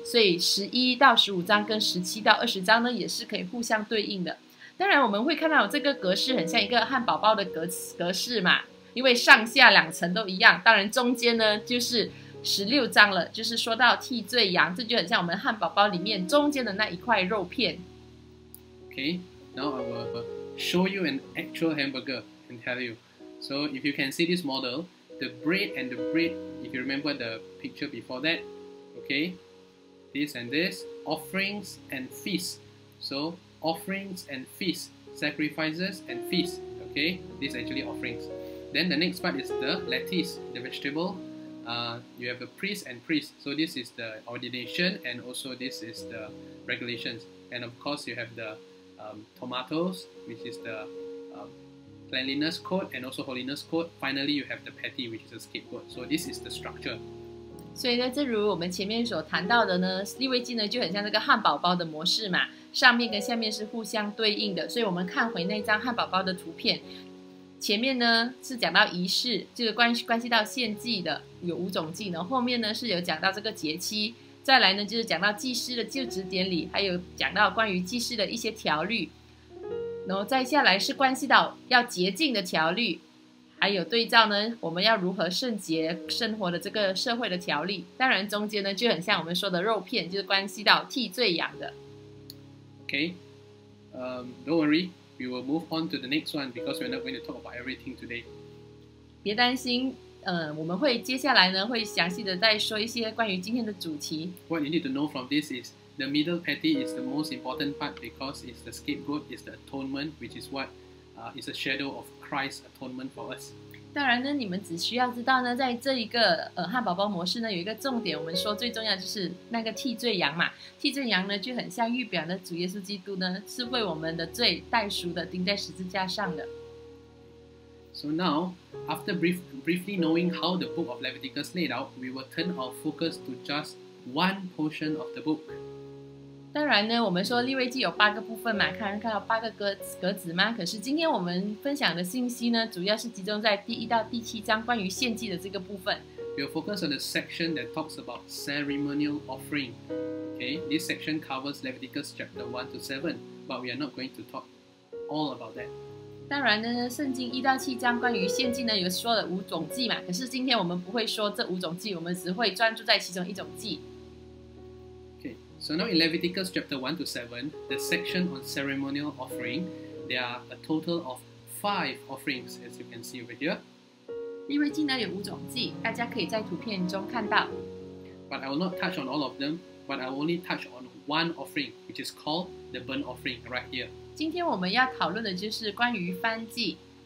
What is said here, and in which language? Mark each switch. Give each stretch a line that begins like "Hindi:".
Chinese: 所以11到15章跟17到20章呢也是可以互相对应的。当然我们会看到这个格式很像一个汉堡包的格式嘛，因为上下两层都一样。当然中间呢就是16章了，就是说到替罪羊，这就很像我们汉堡包里面中间的那一块肉片。
English: Okay, now I will show you an actual hamburger and tell you. So if you can see this model, the bread, if you remember the picture before that, okay, this and this, offerings and feasts. So offerings and feasts, sacrifices and feasts, okay, this actually offerings. Then the next part is the lettuce, the vegetable. You have the priest and priest. So this is the ordination and also this is the regulations. And of course, you have the tomatoes, which is the cleanliness code and also holiness code. Finally, you have the patty, which is the scapegoat. So this is the structure.
Chinese: 所以呢，正如我们前面所谈到的呢，利未记呢就很像这个汉堡包的模式嘛，上面跟下面是互相对应的。所以我们看回那张汉堡包的图片。前面呢是讲到仪式，这个关系到献祭的有五种祭呢，后面呢是有讲到这个节期，再来呢就是讲到祭司的就职典礼，还有讲到关于祭司的一些条例，然后再下来是关系到要洁净的条例，还有对照呢我们要如何圣洁生活的这个社会的条例，当然中间呢就很像我们说的肉片，就是关系到替罪羊的。
English: Okay, don't worryWe will move on to the next one because we're not going to talk about everything today.
Chinese: 别担心，我们会接下来呢会详细的再说一些关于今天的主题。
English: What you need to know from this is the middle patty is the most important part because it's the scapegoat, it's the atonement, which is what is a shadow of Christ's atonement for us.
Chinese: 当然呢，你们只需要知道呢，在这一个汉堡包模式呢有一个重点，我们说最重要就是那个替罪羊嘛。替罪羊呢就很像预表的主耶稣基督呢，是为我们的罪代赎的，钉在十字架上的。
English: So now, after briefly knowing how the book of Leviticus laid out, we will turn our focus to just one portion of the book.
Chinese: 当然呢，我们说立位记有八个部分嘛，看到八个格子吗？可是今天我们分享的信息呢，主要是集中在第一到第七章关于献祭的这个部分。
English: We'll focus on the section that talks about ceremonial offering. Okay, this section covers Leviticus chapter 1 to 7, but we are not going to talk all about that.
Chinese: 当然呢，圣经一到七章关于献祭呢，有说了五种祭嘛。可是今天我们不会说这五种祭，我们只会专注在其中一种祭。
English: Okay, so now in Leviticus chapter 1 to 7, the section on ceremonial offering, there are a total of 5 offerings, as you can see over here.
Chinese: 立位记呢有五种祭，大家可以在图片中看到。
English: But I will not touch on all of them, but I will only touch on one offering, which is called the burnt offering right here.
Chinese: 今天我们要讨论的就是关于燔祭。